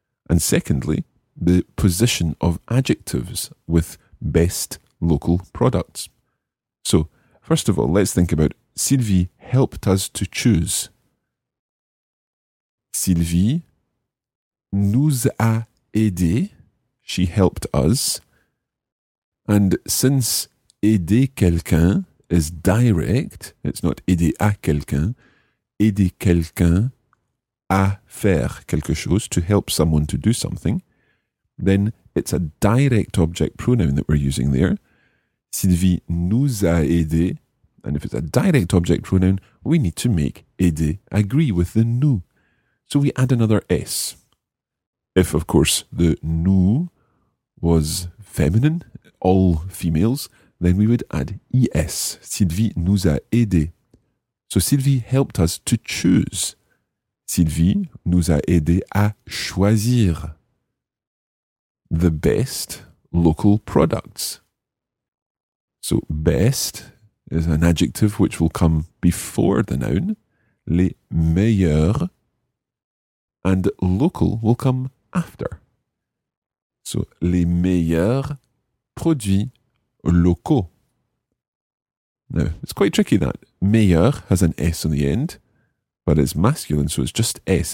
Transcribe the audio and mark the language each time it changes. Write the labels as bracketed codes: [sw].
[en] And secondly, the position of adjectives with best local products. So, first of all, let's think about Sylvie helped us to choose. [fr] Sylvie nous a aidé, [en] she helped us. And since aider quelqu'un is direct, it's not [fr] aider à quelqu'un, aider quelqu'un à faire quelque chose, [en] to help someone to do something, then it's a direct object pronoun that we're using there. [fr] Sylvie nous a aidé. [en] And if it's a direct object pronoun, we need to make aider agree with the nous. So we add another S. If, of course, the nous was feminine, all females, then we would add ES. [fr] Sylvie nous a aidé. [en] So Sylvie helped us to choose. [fr] Sylvie nous a aidé à choisir [en] the best local products. So best is an adjective which will come before the noun, [fr] les meilleurs, [en] and local will come after. [fr] So les meilleurs produits locaux. [en] Now, it's quite tricky that meilleur has an S on the end, but it's masculine, so it's just S.